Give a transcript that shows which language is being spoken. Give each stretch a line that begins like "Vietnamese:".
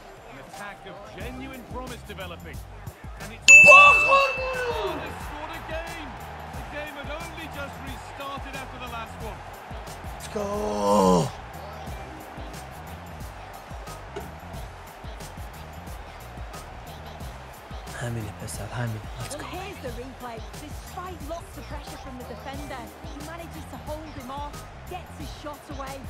English: An attack of genuine promise developing. And it's
Persian: بخور گله.
English: Scored again. The game had only just restarted after the last one. Let's go.
Persian: همینه پسر، همینه.
English: Let's go. Here's the replay. Despite lots of pressure from the defender, he manages to hold him off, gets his shot away.